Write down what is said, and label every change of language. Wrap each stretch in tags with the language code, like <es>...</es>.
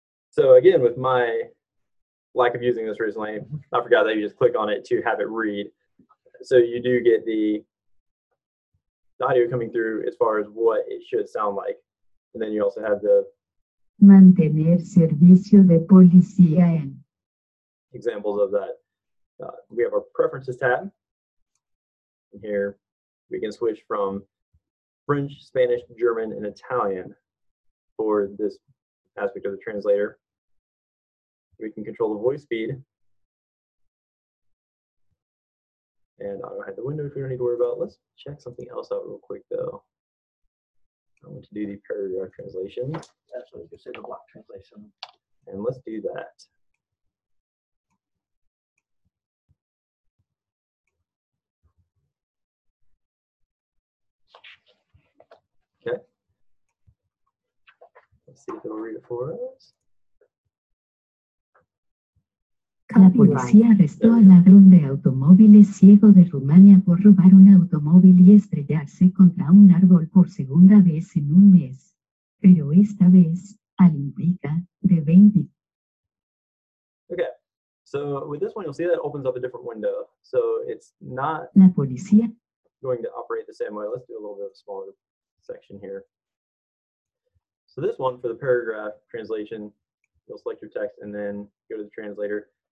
<en>So again, with my lack of using this recently, I forgot that you just click on it to have it read. So you do get the audio coming through as far as what it should sound like. And then you also have the</en> <es>mantener servicio de policía en</es> <en>examples of that. We have our preferences tab. And here we can switch from French, Spanish, German, and Italian for this aspect of the translator. We can control the voice speed. And auto hide the window if we don't need to worry about it. Let's check something else out real quick though. I want to do the paragraph translation. Absolutely, you can say the block translation. And let's do that. Okay. Let's see if it'll read it for us.</en> <es>La policía arrestó al ladrón de automóviles ciego de Rumania por robar un automóvil y estrellarse contra un árbol por segunda vez en un mes. Pero esta vez, al implica de 20.</es> <en>Okay, so with this one, you'll see that opens up a different window. So it's not</en> <es>la policía</es> <en>going to operate the same way. Let's do a little bit of a smaller section here. So this one, for the paragraph translation, you'll select your text and then go to the translator.</en>